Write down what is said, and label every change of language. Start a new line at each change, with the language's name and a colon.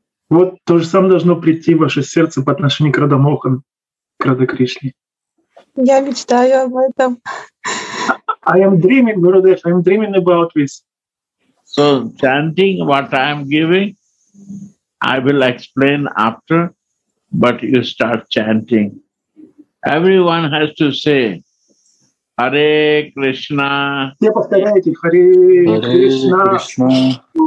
Russian: Вот то же самое должно прийти в ваше сердце по отношению к Радха Мохан, к Радха Кришне. Я мечтаю об этом.
English: I am dreaming, Gurudev, I am dreaming about this. So chanting what I am giving, I will explain after, but you start chanting. Everyone has to say,
Sanskrit: Харе Кришна.
Russian: Все повторяете Харе Кришна.